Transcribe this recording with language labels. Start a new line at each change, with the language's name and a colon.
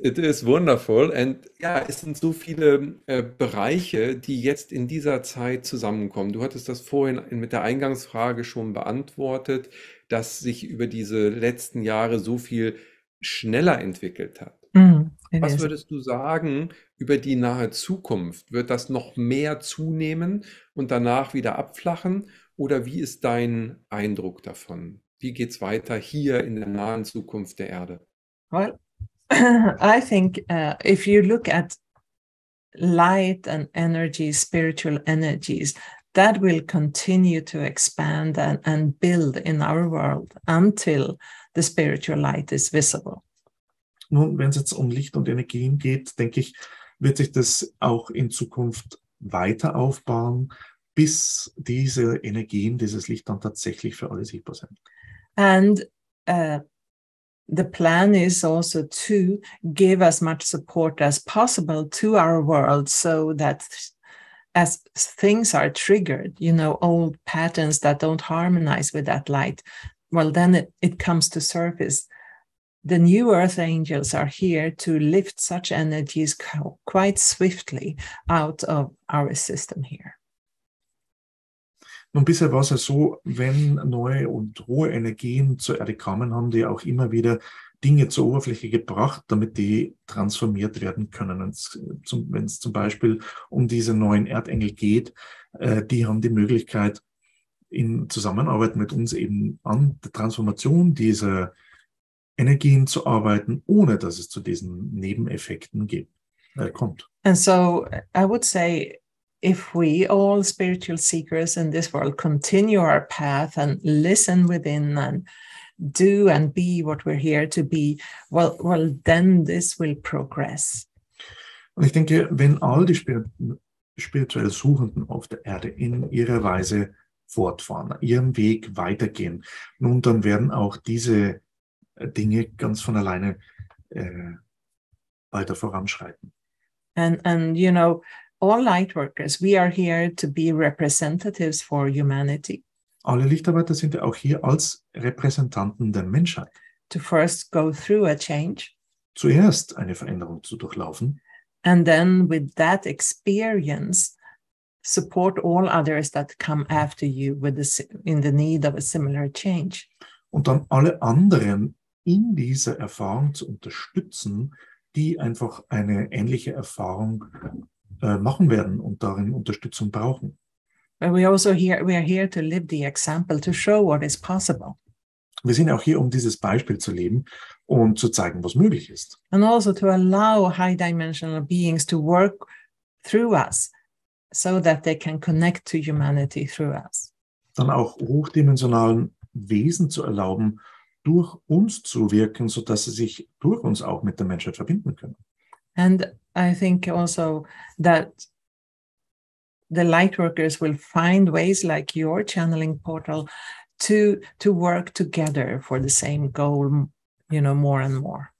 German: It is wonderful. And es sind so viele Bereiche, die jetzt in dieser Zeit zusammenkommen. Du hattest das vorhin mit der Eingangsfrage schon beantwortet, dass sich über diese letzten Jahre so viel schneller entwickelt hat. Was würdest du sagen über die nahe Zukunft? Wird das noch mehr zunehmen und danach wieder abflachen? Oder wie ist dein Eindruck davon? Wie geht's weiter hier in der nahen Zukunft der Erde?
English: Well, I think if you look at light and energy, spiritual energies, that will continue to expand and build in our world until the spiritual light is visible.
German: Nun, wenn es jetzt um Licht und Energien geht, denke ich, wird sich das auch in Zukunft weiter aufbauen, bis diese Energien, dieses Licht dann tatsächlich für alle sichtbar sind.
English: And the plan is also to give as much support as possible to our world, so that as things are triggered, you know, old patterns that don't harmonize with that light, well, then it comes to surface. The new earth angels are here to lift such energies quite swiftly out of our system here.
German: Nun, bisher war es ja so, wenn neue und hohe Energien zur Erde kamen, haben die auch immer wieder Dinge zur Oberfläche gebracht, damit die transformiert werden können. Wenn es zum Beispiel um diese neuen Erdengel geht, die haben die Möglichkeit, in Zusammenarbeit mit uns eben an der Transformation dieser Energien zu arbeiten, ohne dass es zu diesen Nebeneffekten kommt.
English: And so I would say, if we all spiritual seekers in this world continue our path and listen within and do and be what we're here to be, well, then this will progress.
German: Und ich denke, wenn all die spirituell Suchenden auf der Erde in ihrer Weise fortfahren, ihrem Weg weitergehen, nun, dann werden auch diese Dinge ganz von alleine weiter voranschreiten.
English: And you know, all lightworkers, we are here to be representatives for humanity.
German: Alle Lichtarbeiter sind ja auch hier als Repräsentanten der Menschheit.
English: To first go through a change.
German: Zuerst eine Veränderung zu durchlaufen.
English: And then with that experience, support all others that come after you with the, in the need of a similar change.
German: Und dann alle anderen in dieser Erfahrung zu unterstützen, die einfach eine ähnliche Erfahrung machen werden und darin Unterstützung brauchen.
English: We are here to live the example, to show what is possible.
German: Wir sind auch hier, um dieses Beispiel zu leben und zu zeigen, was möglich ist.
English: And also to allow high dimensional beings to work through us, so that they can connect to humanity through us.
German: Dann auch hochdimensionalen Wesen zu erlauben, durch uns zu wirken, so dass sie sich durch uns auch mit der Menschheit verbinden können.
English: And I think also that the lightworkers will find ways like your channeling portal to work together for the same goal, you know, more and more.